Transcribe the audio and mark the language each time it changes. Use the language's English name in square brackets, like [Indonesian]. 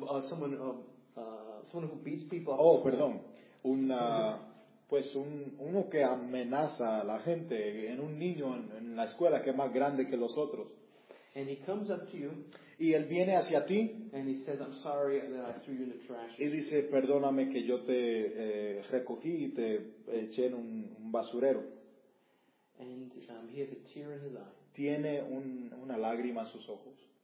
[English] Someone who beats people up. [Spanish] Oh, perdón. Uno que amenaza a la gente, en un niño en la escuela que es más grande que los otros. [English] And he comes up to you. [Spanish] Y él viene hacia ti. [English] And he says, I'm sorry that I threw you in the trash. [Spanish] Y dice, perdóname que yo te recogí y te eché en un basurero. [English] And he has a tear in his eye. [Spanish] Tiene una lágrima en sus ojos.